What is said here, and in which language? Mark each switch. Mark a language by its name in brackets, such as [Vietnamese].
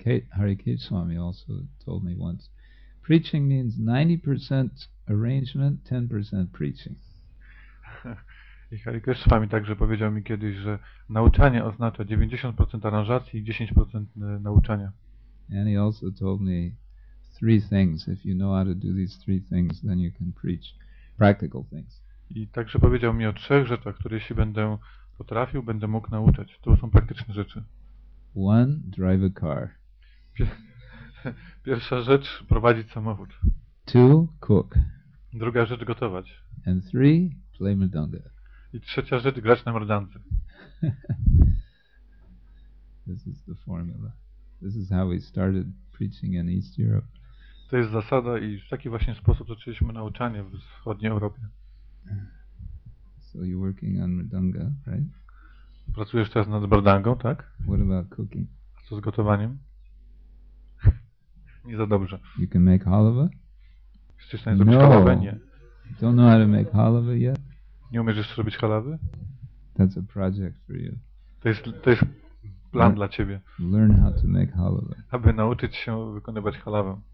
[English] Harikesh Swami also told me once, preaching means 90% arrangement, 10% preaching. [Polish] I Harikesh Swami także powiedział mi kiedyś, że nauczanie oznacza 90% aranżacji i 10% nauczania. [English] And he also told me three things. If you know how to do these three things, then you can preach practical things. [Polish] I także powiedział mi o trzech rzeczach, które jeśli będę potrafił, będę mógł nauczać. To są praktyczne rzeczy. [English] One, drive a car. [Polish] Pierwsza rzecz, prowadzić samochód. [English] Two, cook. [Polish] Druga rzecz, gotować. [English] And three, play mrdanga. [Polish] I trzecia rzecz, grać na mrdance. [English] This is the formula. This is how we started preaching in East Europe. [Polish] To jest zasada i w taki właśnie sposób zaczęliśmy nauczanie w wschodniej Europie. [English] So you're working on mrdanga, right? [Polish] Pracujesz teraz nad mrdangą, tak? [English] What about cooking? [Polish] A co z gotowaniem? Nie za dobrze. [English] You can make halwa? [Polish] Chcesz nawet zrobić halwę? Nie. [English] You don't know how to make halwa yet? [Polish] Nie umiesz jeszcze robić halwy? [English] That's a project for you. [Polish] To jest plan dla ciebie. [English] Learn how to make halwa. [Polish] Aby nauczyć się wykonywać halwę.